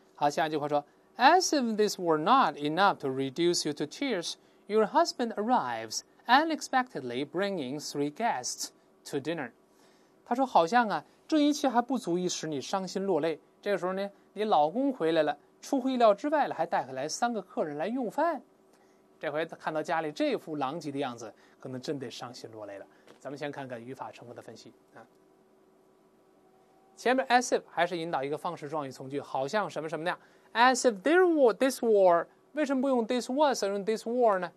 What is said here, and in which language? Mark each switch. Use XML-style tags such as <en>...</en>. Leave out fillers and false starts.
<zh>好，下一句话说</zh> <en>As if this were not enough to reduce you to tears, your husband arrives unexpectedly bringing three guests to dinner.</en> <zh>他说好像啊，这一切还不足以使你伤心落泪，这个时候呢，你老公回来了，出乎意料之外了，还带回来三个客人来用饭。这回看到家里这副狼藉的样子，可能真得伤心落泪了。咱们先看看语法成分的分析啊。前面 as if 还是引导一个方式状语从句，好像什么什么那样。</zh> <en>as if there were this war，</en> <zh>为什么不用 this was 而用 this war 呢？</zh>